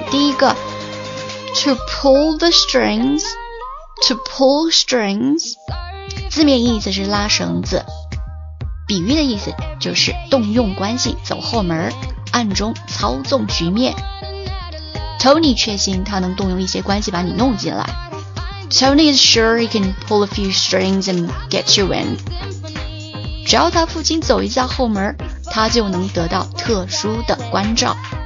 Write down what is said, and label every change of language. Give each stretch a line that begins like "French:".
Chinese: 第一个 ,
English: to pull the strings, to pull strings,
Chinese: 字面意思是拉绳子。比喻的意思就是动用关系走后门，暗中操纵局面。 Tony 确信他能动用一些关系把你弄进来。
English: Tony is sure he can pull a few strings and get you in.
Chinese: 只要他父亲走一下后门，他就能得到特殊的关照。